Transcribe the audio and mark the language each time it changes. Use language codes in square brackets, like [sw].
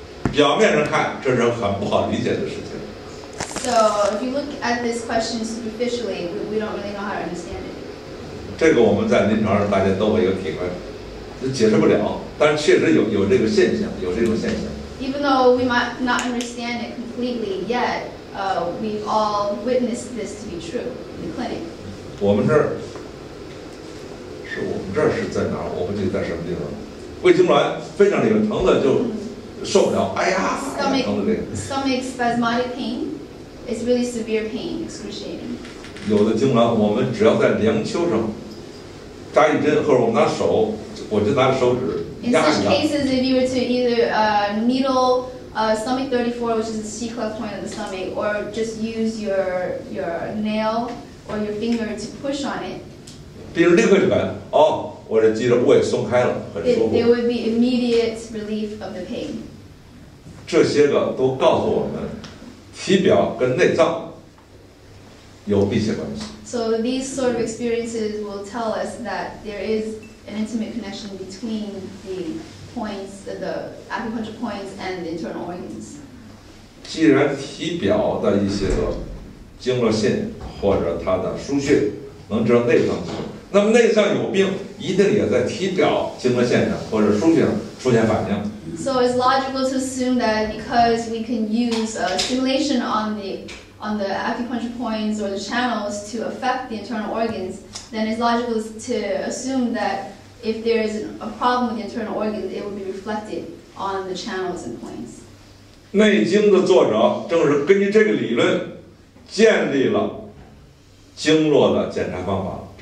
[zh] 表面上看，这是很不好理解的事情。 [en] So if you look at this question superficially, we don't really know how to understand it. [zh] 这个我们在临床上大家都会有体会，就解释不了。但是确实有这个现象，有这种现象。 [en] Even though we might not understand it completely yet, we've all witnessed this to be true in the clinic. [zh] 我们这儿是在哪儿？我不记得在什么地方。胃痉挛非常厉害，疼的就。受不了，哎呀， [en] stomach spasmodic pain is really severe pain, excruciating. [zh] 有的痉挛，我们只要在梁丘上扎一针，或者我们拿手，我就拿手指压一压。 [en] In such cases, if you were to either needle stomach 34, which is the C-cleft point of the stomach, or just use your nail or your finger to push on it, [zh] 病人立刻就感觉哦。我这肌肉我也松开了，很舒服。 [en] There would be immediate relief of the pain. [zh] 这些个都告诉我们，体表跟内脏有密切关系。 [en] So these sort of experiences will tell us that there is an intimate connection between the points, the acupuncture points, and the internal organs. [zh] 既然体表的一些个经络线或者它的腧穴能治内脏，那么内脏有病，一定也在体表经络线上或者腧穴上出现反应。 [en] So it's logical to assume that because we can use stimulation on the acupuncture points or the channels to affect the internal organs, then it's logical to assume that if there is a problem with the internal organs, it will be reflected on the channels and points. [zh] 内经的作者正是根据这个理论建立了经络的检查方法。